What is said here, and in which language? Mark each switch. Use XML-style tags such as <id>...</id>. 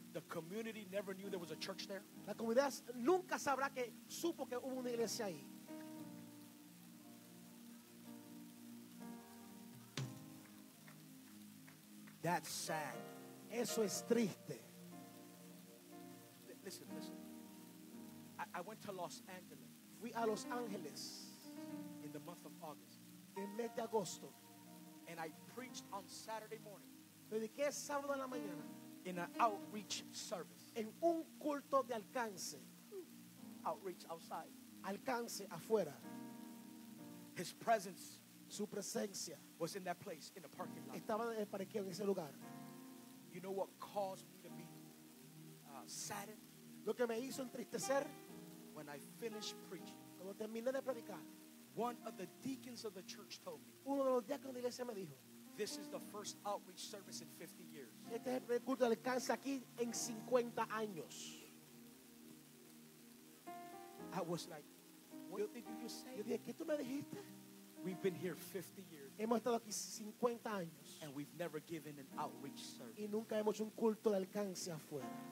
<en>The community never knew there was a church there.</en> <es>La comunidad nunca sabrá que supo que hubo una iglesia ahí.</es> <en>That's sad.</en> <es>Eso es triste.</es> <en>Listen. I went to Los Angeles.</en> <es>Fui a Los Angeles</es> <en>in the month of August.</en> <es>En mes de agosto.</es> <en>And I preached on Saturday morning.</en> <es>Prediqué sábado en la mañana.</es> <en>In an outreach service.</en> <es>En un culto de alcance.</es> <en>Outreach outside.</en> <es>Alcance afuera.</es> <en>His presence.</en> <es>Su presencia.</es> <en>Was in that place, in the parking lot.</en> <es>Estaba en el parqueo, en ese lugar.</es> <en>You know what caused me to be saddened?</en> <es>Lo que me hizo entristecer.</es> <en>When I finished preaching.</en> <es>Cuando terminé de predicar.</es> <en>One of the deacons of the church told me.</en> <es>Uno de los diáconos de la iglesia me dijo.</es> <en>This is the first outreach service in 50 years.</en> <es>Este es el culto de alcance aquí en 50 años.</es> <en>I was like, what did you say?</en> <es>Yo dije, ¿qué tú me dijiste?</es> <en>We've been here 50 years.</en> <es>Hemos estado aquí 50 años.</es> <en>And we've never given an outreach service.</en> <es>Y nunca hemos hecho un culto de alcance afuera.</es>